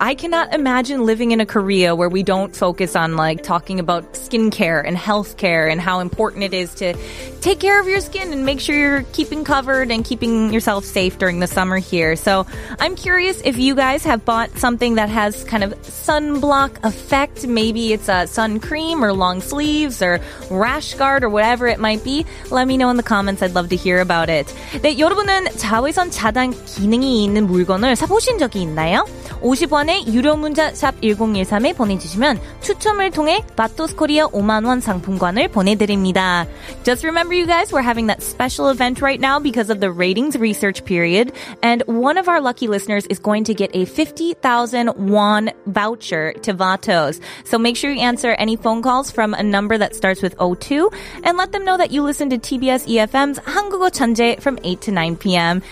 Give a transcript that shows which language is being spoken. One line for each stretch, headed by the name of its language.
English: I cannot imagine living in a Korea where we don't focus on like talking about skincare and healthcare and how important it is to take care of your skin and make sure you're keeping covered and keeping yourself safe during the summer here. So I'm curious if you guys have bought something that has kind of sunblock effect. Maybe it's a sun cream or long sleeves or rash guard or whatever it might be. Let me know in the comments. I'd love to hear about it.
Korean: 네, 여러분은 자외선 차단 기능이 있는 물건을 사보신 적이 있나요? 50원의 유료 문자 샵 1013에 보내주시면 추첨을 통해 바토스 코리아 5만원 상품권을 보내드립니다.
English: Just remember you guys, we're having that special event right now because of the ratings research period, and one of our lucky listeners is going to get a 50,000 won voucher to Vatos. So make sure you answer any phone calls from a number that starts with 02 and let them know that you listen to TBS EFM's 한국어 천재 from 8 to 9 p.m.